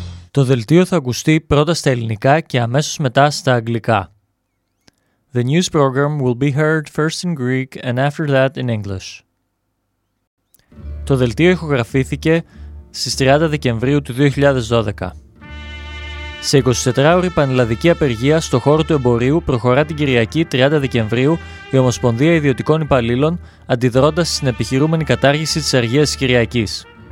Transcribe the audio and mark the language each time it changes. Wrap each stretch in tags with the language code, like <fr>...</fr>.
<el>Το δελτίο θα ακουστεί πρώτα στα ελληνικά και αμέσως μετά στα αγγλικά.</el> <en>The news program will be heard first in Greek and after that in English.</en> <el>Το δελτίο ηχογραφήθηκε στις 30 Δεκεμβρίου του 2012. Σε 24-ωρη πανελλαδική απεργία στο χώρο του εμπορίου προχωρά την Κυριακή 30 Δεκεμβρίου η Ομοσπονδία Ιδιωτικών Υπαλλήλων αντιδρώντας στην επιχειρούμενη κατάργηση της αργίας της Κυριακής.</el>